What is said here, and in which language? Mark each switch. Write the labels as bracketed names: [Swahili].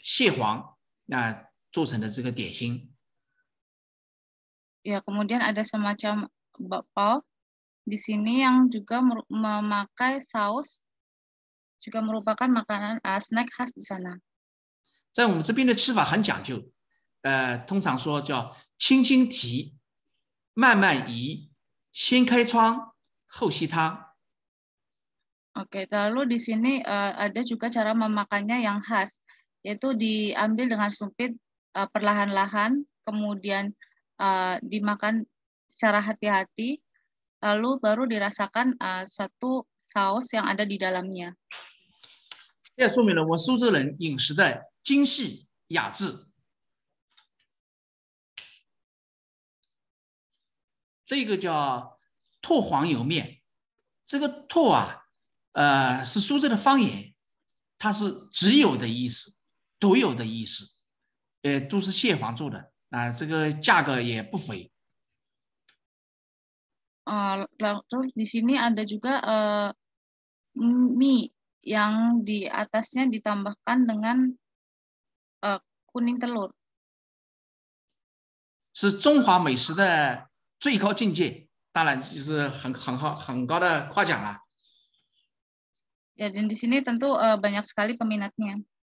[Chinese] 再介绍一种叫蟹黄汤包，是用大闸蟹的这个蟹黄做成的这个点心。 [Indonesian] Ya, kemudian ada semacam bakpao di sini yang juga memakai saus. Juga merupakan makanan snack khas di sana. [Chinese] 在我们这边的吃法很讲究，通常说叫轻轻提，慢慢移，先开窗，后吸汤。 [Indonesian] Oke, lalu di sini ada juga cara memakannya yang khas, yaitu diambil dengan sumpit perlahan-lahan, kemudian dimakan secara hati-hati, lalu baru dirasakan satu saus yang ada di dalamnya. [Chinese] 这说明了我苏州人饮食的精细雅致。这个叫拓黄油面，这个拓啊，是苏州的方言，它是只有的意思，独有的意思，都是蟹黄做的，这个价格也不菲。 [Indonesian] terus di sini ada juga mie yang di atasnya ditambahkan dengan kuning telur. [Chinese] 是中华美食的。最高境界，当然就是很高的夸奖了。 [Indonesian] Ya, dan di sini tentu banyak sekali peminatnya.